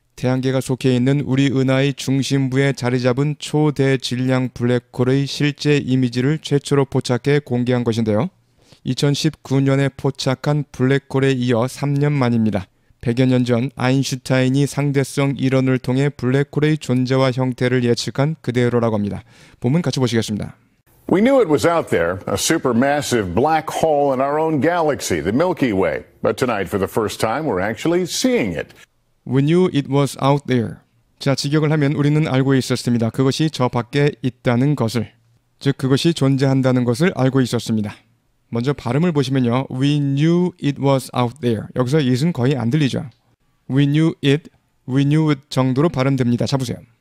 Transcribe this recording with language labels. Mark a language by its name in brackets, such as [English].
[Korean] 태양계가 속해 있는 우리 은하의 중심부에 자리 잡은 초대질량 블랙홀의 실제 이미지를 최초로 포착해 공개한 것인데요. 2019년에 포착한 블랙홀에 이어 3년 만입니다. 100여 년전 아인슈타인이 상대성 이론을 통해 블랙홀의 존재와 형태를 예측한 그대로라고 합니다. 본문 같이 보시겠습니다. [English] We knew it was out there, a supermassive black hole in our own galaxy, the Milky Way. But tonight, for the first time, we're actually seeing it. We knew it was out there. [Korean] 자취격을 하면 우리는 알고 있었습니다. 그것이 저 밖에 있다는 것을. 즉, 그것이 존재한다는 것을 알고 있었습니다. 먼저 발음을 보시면요. [English] We knew it was out there. [Korean] 여기서 it은 거의 안 들리죠. [English] We knew it, we knew it [Korean] 정도로 발음됩니다. 잡으세요.